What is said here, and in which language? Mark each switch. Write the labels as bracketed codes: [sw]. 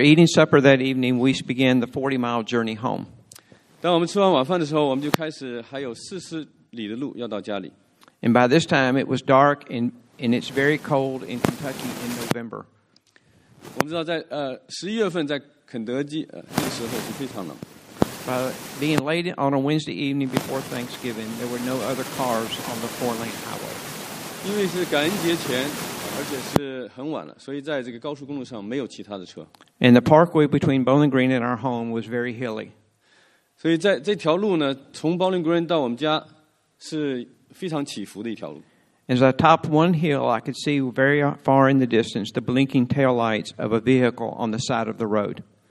[en] eating supper that evening, we began the 40-mile journey home. [zh] 当我们吃完晚饭的时候，我们就开始还有40里的路要到家里。 [en] And by this time, it was dark, and it's very cold in Kentucky in November. [zh] 我们知道在11月份在肯德基，这个时候是非常冷。 [en] By being late on a Wednesday evening before Thanksgiving, there were no other cars on the four-lane highway. [zh] 因为是感恩节前。而且是很晚了，所以在这个高速公路上没有其他的车。 [en] And the parkway between Bowling Green and our home was very hilly. [zh] 所以在这条路呢，从 Bowling Green 到我们家是非常起伏的一条路。 [en] As I topped one hill, I could see very far in the distance the blinking taillights of a vehicle on the side of the road.